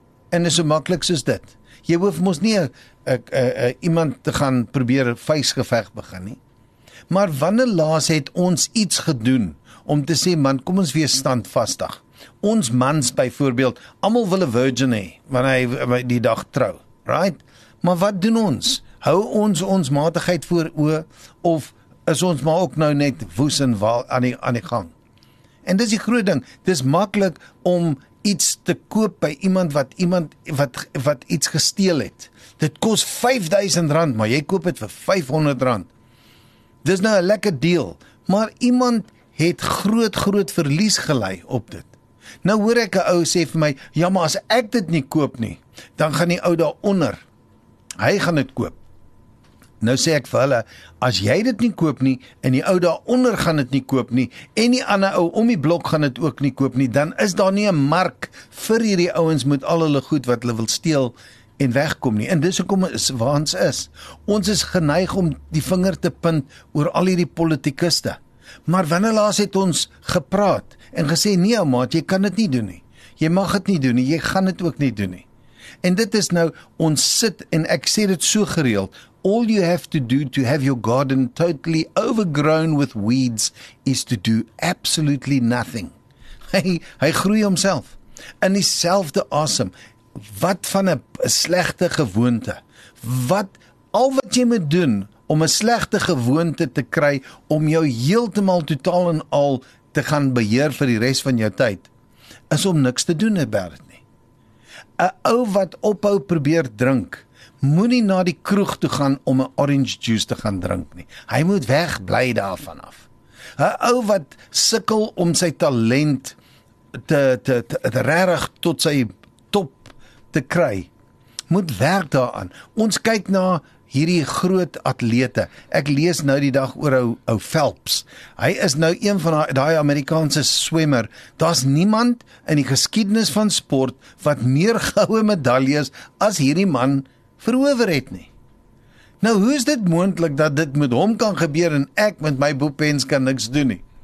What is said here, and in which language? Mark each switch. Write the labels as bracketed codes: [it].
[af] En is so maklik soos dit. Jy hoef mos nie iemand te gaan probeer vuisgeveg begin nie. Maar wanneer laas het ons iets gedoen om te sê, man, kom ons wees standvastig. Ons mans byvoorbeeld, almal wil 'n virgin hê wanneer hy die dag trou, right? Maar wat doen ons? Hou ons matigheid voor oë of is ons maar ook nou net woes en waal aan die gang? En dis die groot ding, dis maklik om iets te koop by iemand wat iets gesteel het. Dit kos R5000, maar jy koop dit vir R500. Dis nou 'n lekker deal, maar iemand het groot verlies gely op dit. Nou hoor ek 'n ou sê vir my, "Ja, maar as ek dit nie koop nie, dan gaan die ou daaronder. Hy gaan dit koop." Nou sê ek vir hulle, "As jy dit nie koop nie en die ou daaronder gaan dit nie koop nie en die ander ou om die blok gaan dit ook nie koop nie, dan is daar nie 'n mark vir hierdie ouens met al hulle goed wat hulle wil steel en wegkom nie." En dis hoekom is waar ons is. Ons is geneig om die vinger te punt oor al hierdie politikuste. Maar wanneer laas het ons gepraat en gesê, "Nee ou maat, jy kan dit nie doen nie. Jy mag dit nie doen nie, jy gaan dit ook nie doen nie." En dit is nou, ons sit en ek sê dit so gereeld, [en] all you have to do to have your garden totally overgrown with weeds is to do absolutely nothing. [af] Hy groei homself. In dieselfde asem, wat van 'n slegte gewoonte, wat al wat jy moet doen om 'n slegte gewoonte te kry, om jou heeltemal totaal en al te gaan beheer vir die res van jou tyd, is om niks te doen [en] about it [af] nie. 'N Ou wat ophou probeer drink, moenie na die kroeg toe gaan om 'n orange juice te gaan drink nie. Hy moet weg bly daarvan af. 'N Ou wat sukkel om sy talent te regtig tot sy top te kry, moet werk daaraan. Ons kyk na hierdie groot atlete. Ek lees nou die dag oor ou Phelps. Hy is nou een van daai Amerikaanse swemmer. Daar's niemand in die geskiedenis van sport wat meer goue medaljes as hierdie man verower het nie. Nou, hoe is dit moontlik dat dit met hom kan gebeur en ek met my boepens kan niks doen nie?